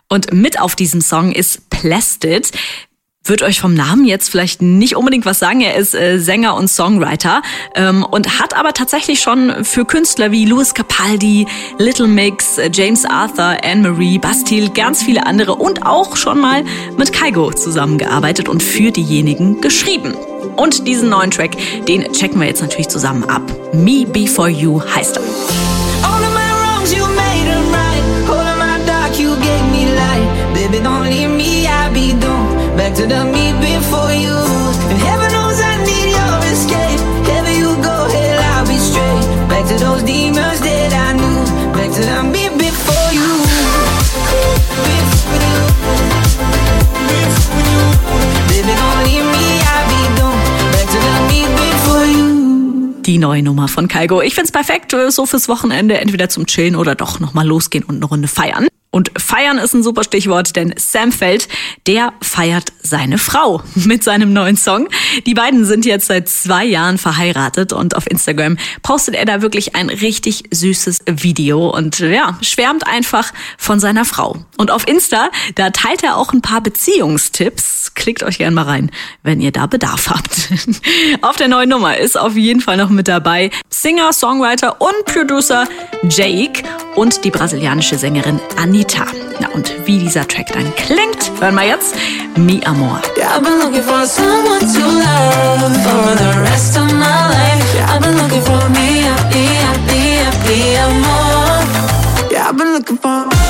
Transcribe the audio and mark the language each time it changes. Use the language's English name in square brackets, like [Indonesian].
[German] Und mit auf diesem Song ist Plastid. Wird euch vom Namen jetzt vielleicht nicht unbedingt was sagen. Er ist Sänger und Songwriter und hat aber tatsächlich schon für Künstler wie Louis Capaldi, Little Mix, James Arthur, Anne-Marie, Bastille, ganz viele andere und auch schon mal mit Kygo zusammengearbeitet und für diejenigen geschrieben. Und diesen neuen Track, den checken wir jetzt natürlich zusammen ab. Me Before You heißt er. [English] All of my wrongs, you made them right. All of my dark, you gave me light. Baby, don't leave me, I'll be done. Back to the me before you. And heaven knows I need your escape. Heaven you go, hell I'll be straight. Back to those demons that I knew. Back to the me before you. Before you. Before you. Baby don't leave me, I'll be gone. Back to the me before you. [German] Die neue Nummer von Kygo. Ich find's perfekt, so fürs Wochenende, entweder zum Chillen oder doch nochmal losgehen und eine Runde feiern. Und feiern ist ein super Stichwort, denn Sam Feld, der feiert seine Frau mit seinem neuen Song. Die beiden sind jetzt seit 2 Jahren verheiratet und auf Instagram postet er da wirklich ein richtig süßes Video und ja, schwärmt einfach von seiner Frau. Und auf Insta, da teilt er auch ein paar Beziehungstipps. Klickt euch gerne mal rein, wenn ihr da Bedarf habt. Auf der neuen Nummer ist auf jeden Fall noch mit dabei Singer, Songwriter und Producer Jake und die brasilianische Sängerin Anita. Na und wie dieser Track dann klingt, hören wir jetzt. [Spanish] Mi Amor. [English] Yeah, I've been looking for someone to love for the rest of my life. Yeah, I've been looking for mi amor. Yeah, I've been looking for...